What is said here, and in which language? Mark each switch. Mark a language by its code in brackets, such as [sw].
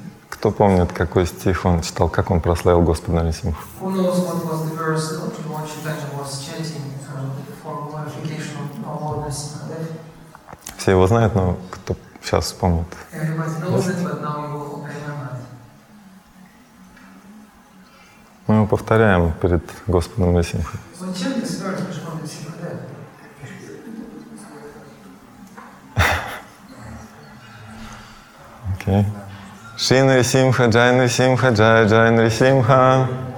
[ru] Кто помнит, какой стих он читал, как он прославил Господа Нисимху? [en] Who knows what was the verse that Lord Chaitanya was chanting for glorification of Lord Nisimhadev? [ru] Все его знают, но кто сейчас вспомнит? [en] Everybody knows it, but now you will remember it. [ru] Мы его повторяем перед Господом Нисимху. [en] So chant this verse, [ru] Господь Нисимхадев. Окей. [sa] Шри Нрисимха, Джай Нрисимха, Джай Джай Нрисимха.